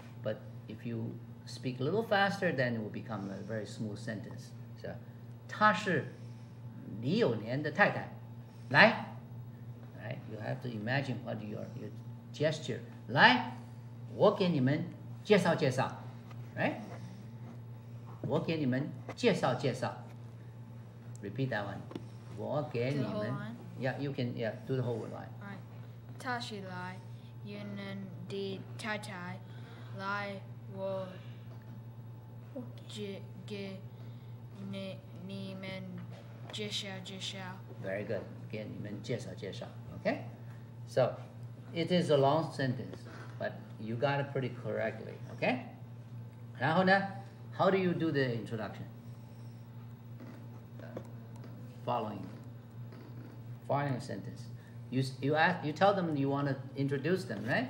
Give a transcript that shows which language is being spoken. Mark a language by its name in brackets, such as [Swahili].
[English] But if you speak a little faster, then it will become a very smooth sentence. [Chinese] So, 她是李有年的太太。 [English] 来, right? You have to imagine what your gesture. [Chinese] 来, 我给你们介绍介绍, right? 我给你们介绍介绍. [English] Repeat that one. [Chinese] 我给你们, [English] do the whole line. All right. [Chinese] 她是来有年的太太来我给你们介绍介绍. [English] Very good. [Chinese] 给你们介绍介绍 [English] okay? So, it is a long sentence, but you got it pretty correctly, okay? [Chinese] 然后呢, [English] how do you do the introduction? Following sentence. You tell them you want to introduce them, right?